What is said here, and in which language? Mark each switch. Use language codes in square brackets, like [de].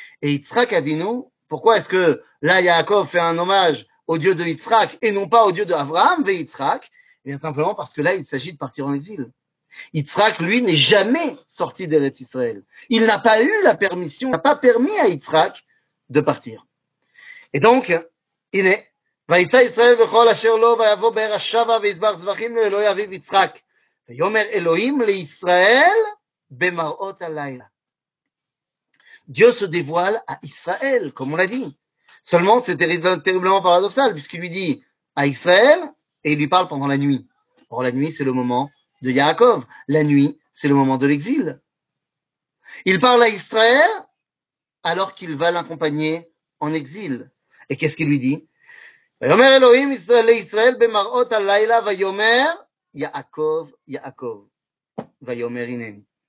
[fr] Et Yitzhak Avinu, pourquoi est-ce que là, Yaakov fait un hommage au Dieu de Yitzhak et non pas au Dieu d'Abraham ve Yitzhak? Eh bien, simplement parce que là, il s'agit de partir en exil. Yitzhak, lui, n'est jamais sorti d'Eretz Israël. Il n'a pas eu la permission, il n'a pas permis à Yitzhak de partir. Et donc, il est [he] וישא ישראל וכל אשר לו ויבוא באר השבה ויזבח זבחים לאלוהי אביו יצחק ויאמר אלוהים לישראל במראות הלילה. [fr] Dieu se dévoile à Israël, comme on l'a dit. Seulement, c'est terriblement paradoxal, puisqu'il lui dit à Israël et il lui parle pendant la nuit. Or, la nuit, c'est le moment de Yaakov. La nuit, c'est le moment de l'exil. Il parle à Israël alors qu'il va l'accompagner en exil. Et qu'est-ce qu'il lui dit? [he] ויאמר אלוהים לישראל במראות הלילה ויאמר יעקב יעקב ויאמר הנני.